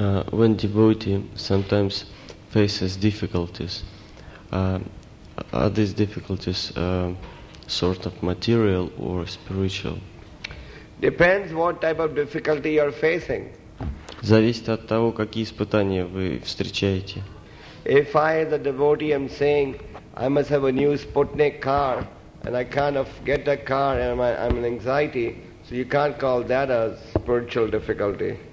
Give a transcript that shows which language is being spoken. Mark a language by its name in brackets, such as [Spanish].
[English] When devotee sometimes faces difficulties, are these difficulties sort of material or spiritual? Depends what type of difficulty you are facing. [Russian] Зависит от того, какие испытания вы встречаете. [English] If I, as a devotee, am saying I must have a new Sputnik car and I can't get a car and I'm in anxiety, so you can't call that a spiritual difficulty.